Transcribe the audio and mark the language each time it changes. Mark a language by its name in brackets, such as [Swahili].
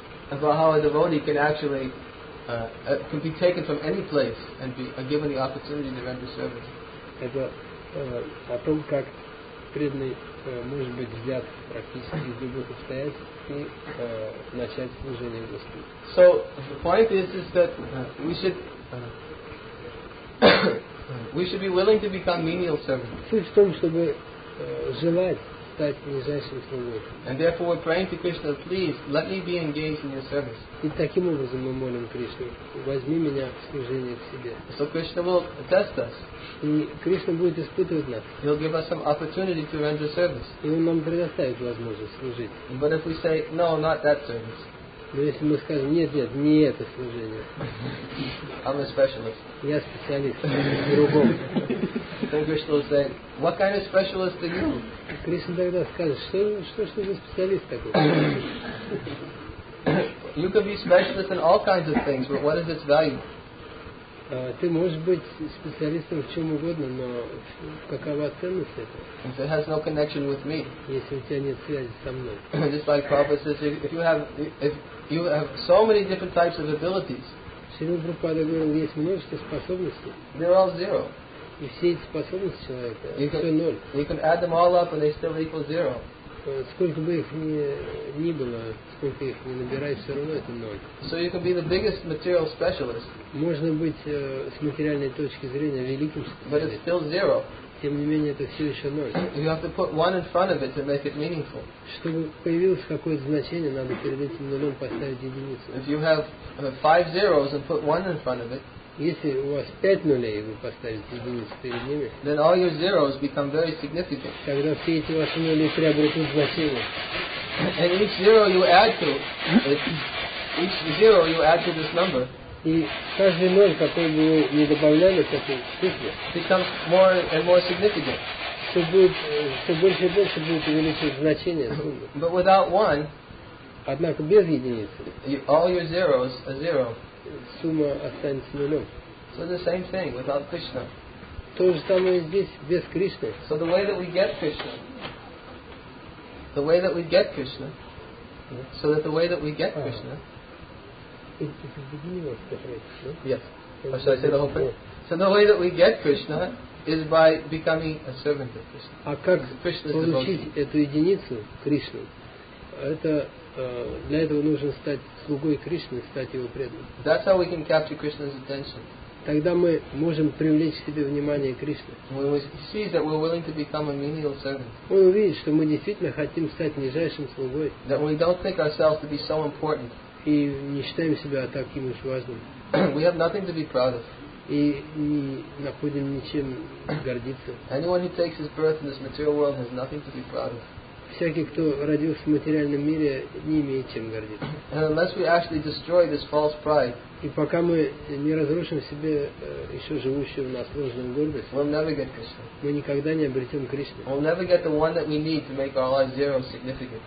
[English] About how a devotee can actually can be taken from any place and be given the opportunity to render service. [Russian] Это о том, как преданный может быть взят практически из любых обстоятельств и начать служение Господу. [English] So the point is that we should be willing to become menial servants. [Russian] Суть в том, чтобы желать стать нижайшим слугой. [English] And therefore we're praying to Krishna, please let me be engaged in your service. [Russian] И таким образом мы молим Кришну, возьми меня в служение к себе. [English] So Krishna will test us. [Russian] И Кришна будет испытывать нас. [English] He'll give us some opportunity to render service. [Russian] И Он нам предоставит возможность служить. [English] But if we say, no, not that service. [Russian] Но если мы скажем, нет, не это служение. [English] I'm a specialist. [Russian] Я специалист. Другом. [English] Then Krishna will say, what kind of specialist are you? [Russian] Кришна тогда скажет, что за специалист такой? [English] You could be specialist in all kinds of things, but what is its value? [Russian] Ты можешь быть специалистом в чем угодно, но какова ценность этого? [English] If it has no connection with me. [Russian] Если у тебя нет связи со мной. [English] Just like Prabhupada says, if you have so many different types of abilities. [Russian] Шрила Прабхупада говорил, есть множество способностей. [English] They're all zero. [Russian] И все эти способности человека, все ноль. [English] You can add them all up and they still equal zero. [Russian] Сколько бы их ни было, сколько их ни набирай, все равно это ноль. [English] So you can be the biggest material specialist. [Russian] Можно быть с материальной точки зрения великим специалистом. [English] But it's still zero. [Russian] Тем не менее, это все еще ноль. [English] You have to put one in front of it to make it meaningful. [Russian] Чтобы появилось какое-то значение, надо перед этим нулем поставить единицу. [English] If you have five zeros and put one in front of it. [Russian] Если у вас пять нулей, вы поставите единицу перед ними. [English] Then all your zeros become very significant. [Russian] Тогда все эти ваши нули приобретут значение. [English] And each zero you add to, each zero you add to this number. [Russian] И каждый ноль, который бы вы не добавляли к этой цифре, [English] becomes more and more significant. [Russian] Все больше и больше будет увеличивать значение суммы. [English] But without one, [Russian] однако без единицы, [English] all your zeros are zero. [Russian] Сумма останется нулем. [English] So the same thing without Krishna. [Russian] То же самое здесь без Кришны. [English] So the way that we get Krishna. So that the way that we get Krishna. think this is the meaning of the phrase, no? Yes. Or should I say the whole thing? So the way that we get Krishna is by becoming a servant of Krishna. [Russian] А как получить эту единицу Кришну? Это для этого нужно стать слугой Кришны, стать его преданным. [English] That's how we can capture Krishna's attention. [Russian] Тогда мы можем привлечь к себе внимание Кришны. [English] When we see that we're willing to become a menial servant. [Russian] Он увидит, что мы действительно хотим стать нижайшим слугой. [English] That we don't think ourselves to be so important. [Russian] И не считаем себя таким уж важным. [English] We have nothing to be proud of. [Russian] И не находим ничем гордиться. [English] Anyone who takes his birth in this material world has nothing to be proud of. [Russian] Всякий, кто родился в материальном мире, не имеет чем гордиться. [English] And unless we actually destroy this false pride, [Russian] и пока мы не разрушим в себе еще живущую в нас ложную гордость, [English] we'll never get Krishna. [Russian] Мы никогда не обретем Кришну. [English] We'll never get the one that we need to make our lives zero significant.